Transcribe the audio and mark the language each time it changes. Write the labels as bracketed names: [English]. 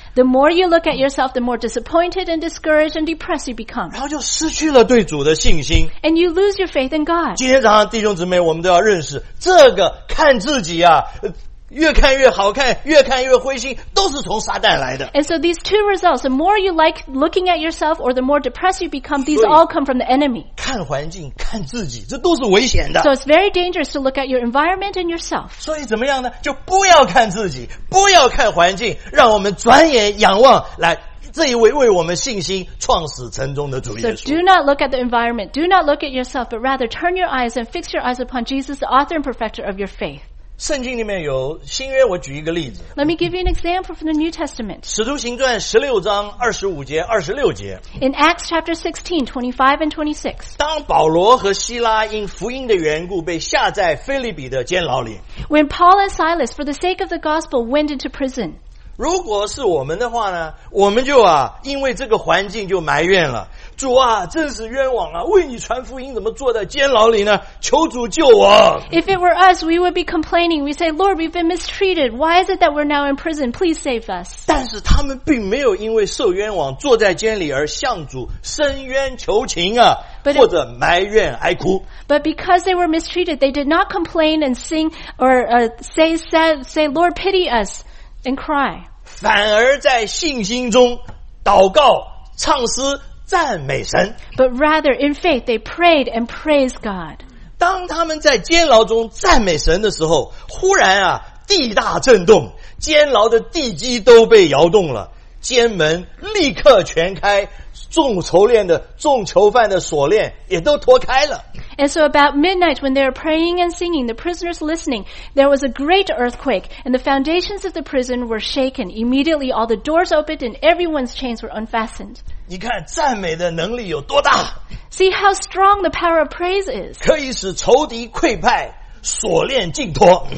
[English] The more you look at yourself, the more disappointed and discouraged and depressed you become. [Chinese] 然后就失去了对主的信心。 [English] And you lose your faith in God. [Chinese] 今天早上弟兄姊妹，我们都要认识这个看自己啊，越看越好看，越看越灰心，都是从撒旦来的。 [English] And so these two results, the more you like looking at yourself or the more depressed you become, these all come from the enemy. [Chinese] 看环境，看自己，这都是危险的。 [English] So it's very dangerous to look at your environment and yourself. [Chinese] 所以怎么样呢？就不要看自己，不要看环境，让我们转眼仰望来这一位为我们信心创始成终的主耶稣。 [English] So do not look at the environment, do not look at yourself, but rather turn your eyes and fix your eyes upon Jesus, the author and perfecter of your faith. [Chinese] 圣经里面有新约，我举一个例子。 [English] Let me give you an example from the New Testament. [Chinese] 使徒行传16章25节26节。 [English] In Acts chapter 16, 25 and 26. [Chinese] 当保罗和希拉因福音的缘故被下在腓立比的监牢里。 [English] When Paul and Silas, for the sake of the gospel, went into prison. [Chinese] 如果是我们的话呢，我们就啊，因为这个环境就埋怨了。主啊，真是冤枉啊！为你传福音，怎么坐在监牢里呢？求主救我。 [English] If it were us, we would be complaining. We say, Lord, we've been mistreated. Why is it that we're now in prison? Please save us. [Chinese] 但是他们并没有因为受冤枉坐在监里而向主伸冤求情啊， [English] but [Chinese] 或者埋怨哀哭。 [English] But because they were mistreated, they did not complain and sing or say, Lord, pity us and cry. [Chinese] 反而在信心中祷告、唱诗。赞美神。 [English] But rather, in faith, they prayed and praised God. 当他们在监牢中赞美神的时候，忽然啊，地大震动，监牢的地基都被摇动了，监门立刻全开，众囚犯的锁链也都脱开了。 And so about midnight, when they were praying and singing, the prisoners listening, there was a great earthquake, and the foundations of the prison were shaken. Immediately, all the doors opened, and everyone's chains were unfastened. [Chinese] 你看赞美的能力有多大？ [English] See how strong the power of praise is. [Chinese] 可以使仇敌溃败，锁链尽脱。